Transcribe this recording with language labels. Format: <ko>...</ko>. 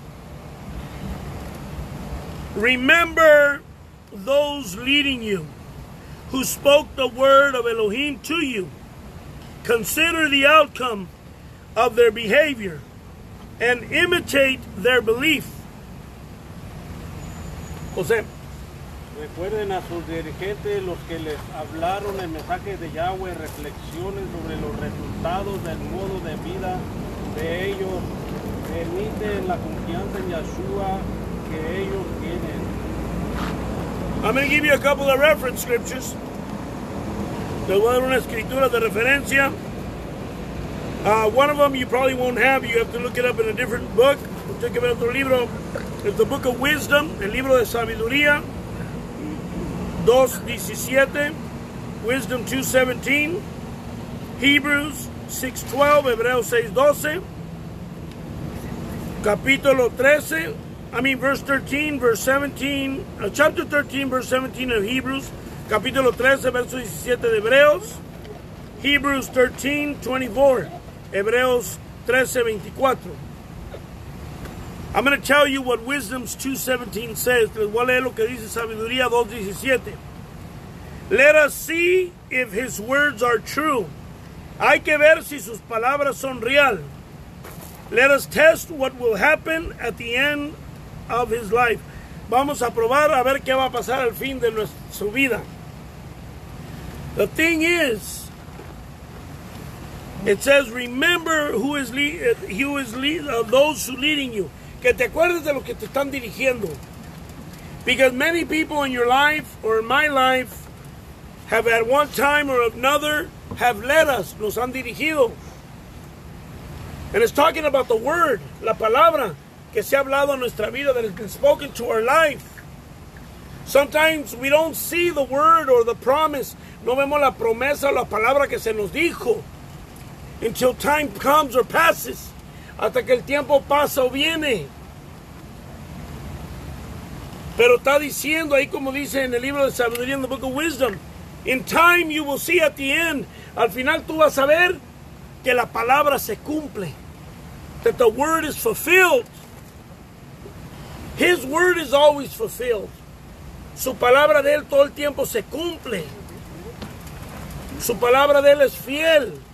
<es>Verso 7.</es> <en>Remember those leading you, who spoke the word of Elohim to you. Consider the outcome of their behavior and imitate their belief.</en> <es>José. Recuerden a sus dirigentes, los que les hablaron el mensaje de Yahweh, reflexionen sobre los resultados del modo de vida de ellos. Permite la confianza en Yahshua que ellos tienen.</es> <en>I'm going to give you a couple of reference scriptures.</en> <es>Te voy a dar una escritura de referencia.</es> <en>One of them you probably won't have. You have to look it up in a different book.</en> <es>Usted que ve otro libro,</es> <en>it's the book of wisdom,</en> <es>el libro de sabiduría,</es> <en>2:17, wisdom 2:17, Hebrews 6:12, Hebreos 6:12, capítulo 13, verse 13, verse 17, chapter 13, verse 17 of Hebrews, capítulo 13, verso 17 de Hebreos, Hebrews 13:24, Hebreos 13:24. I'm going to tell you what Wisdom 2:17 says.</en> <es>Les voy a leer lo que dice Sabiduría 2:17.</es> <en>Let us see if his words are true.</en> <es>Hay que ver si sus palabras son real.</es> <en>Let us test what will happen at the end of his life.</en> <es>Vamos a probar a ver qué va a pasar al fin de su vida.</es> <en>The thing is, it says, remember those who leading you.</en> <es>Que te acuerdes de lo que te están dirigiendo.</es> <en>Because many people in your life or in my life have at one time or another have led us,</en> <es>nos han dirigido.</es> <en>And it's talking about the word,</en> <es>la palabra, que se ha hablado en nuestra vida,</es> <en>that has been spoken to our life. Sometimes we don't see the word or the promise.</en> <es>No vemos la promesa o la palabra que se nos dijo.</es> <en>Until time comes or passes.</en> <es>Hasta que el tiempo pasa o viene. Pero está diciendo ahí como dice en el libro de sabiduría, en</es> <en>the book of wisdom. In time you will see at the end.</en> <es>Al final tú vas a ver que la palabra se cumple.</es> <en>That the word is fulfilled. His word is always fulfilled.</en> <es>Su palabra de él todo el tiempo se cumple. Su palabra de él es fiel.</es>